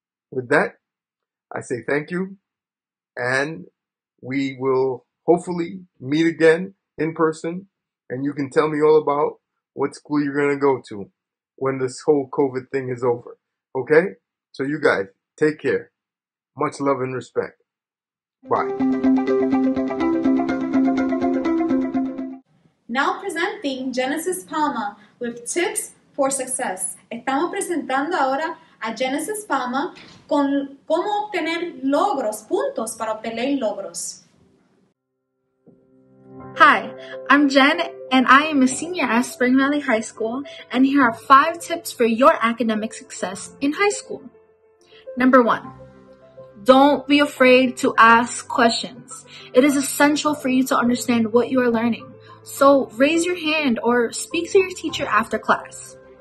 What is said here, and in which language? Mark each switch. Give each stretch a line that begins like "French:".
English: With that, I say thank you, and we will hopefully meet again in person, and you can tell me all about what school you're going to go to when this whole COVID thing is over. Okay? So you guys, take care. Much love and respect. Bye. Now presenting Genesis Palma with tips for success.
Spanish: Estamos presentando ahora a Genesis Palma con cómo obtener logros, puntos para obtener logros.
English: Hi, I'm Jen, and I am a senior at Spring Valley High School, and here are 5 tips for your academic success in high school. Number 1, don't be afraid to ask questions. It is essential for you to understand what you are learning. So raise your hand or speak to your teacher after class.